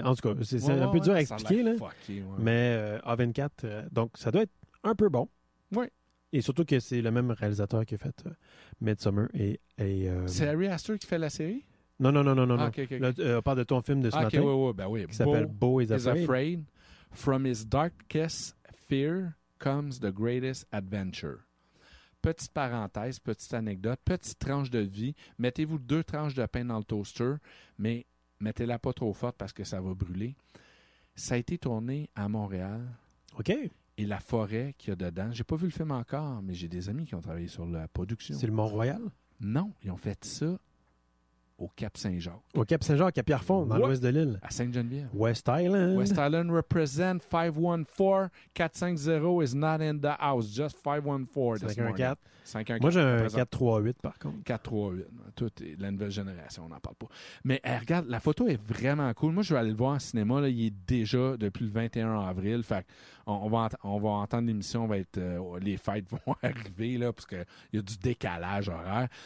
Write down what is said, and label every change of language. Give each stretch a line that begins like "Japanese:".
French: En tout cas, c'est un peu dur à expliquer. Là. Fucky, ouais. Mais A24, donc ça doit être un peu bon. Oui. Et surtout que c'est le même réalisateur qui a fait Midsommar et c'est Ari Aster qui fait la série? Non. Ah, okay. On parle de ton film de ce matin. Oui. Qui s'appelle Beau is Afraid.
English: From his darkest fear comes the greatest adventure.
French: Petite parenthèse, petite anecdote, petite tranche de vie. Mettez-vous deux tranches de pain dans le toaster, mais mettez-la pas trop forte parce que ça va brûler. Ça a été tourné à Montréal. OK. Et la forêt qu'il y a dedans. J'ai pas vu le film encore, mais j'ai des amis qui ont travaillé sur la production. C'est le Mont-Royal? Non, ils ont fait ça au Cap Saint-Jacques. Au Cap Saint-Jacques, à Pierrefonds, dans l'ouest de l'île. À Sainte-Geneviève.
English: West Island. West Island represent 514-450 is not in the house. Just 514 this morning. 514.
French: Moi, j'ai un 438, par contre. 438. Tout est la nouvelle génération, on n'en parle pas. Mais regarde, la photo est vraiment cool. Moi, je vais aller le voir en cinéma. Là, il est déjà depuis le 21 avril. Fait on va entendre l'émission. Les fêtes vont arriver, là, parce qu'il y a du décalage horaire.